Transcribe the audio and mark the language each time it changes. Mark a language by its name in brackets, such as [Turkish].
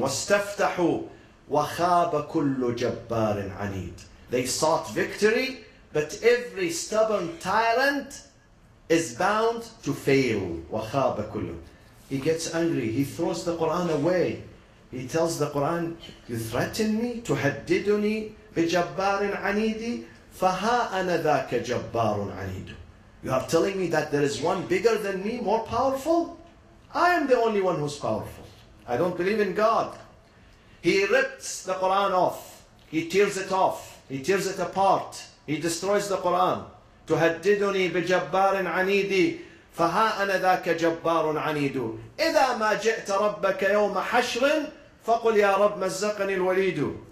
[Arabic] وَاسْتَفْتَحُوا وَخَابَ كُلُّ جَبَّارٍ عَنِيدٍ. [English] They sought victory, but every stubborn tyrant is bound to fail. [Arabic] وَخَابَ كُلُّ. [English] He gets angry, he throws the Quran away. He tells the Quran, you threaten me? [Arabic] تُهَدِّدُنِي بِجَبَّارٍ عَنِيدِي فَهَا أَنَا ذَاكَ جَبَّارٌ عَنِيدٌ. [English] You are telling me that there is one bigger than me, more powerful? I am the only one who's powerful. I don't believe in God. He rips the Quran off. He tears it off. He tears it apart. He destroys the Quran. [Arabic] تُهَدِّدُنِي بِجَبَّارٍ عَنِيدِي فَهَا أَنَا ذَاكَ جَبَّارٌ عَنِيدُ إِذَا مَا جِئْتَ رَبَّكَ يَوْمَ حَشْرٍ فَقُلْ يَا رَبَّ مَزَّقَنِي الْوَلِيدُ.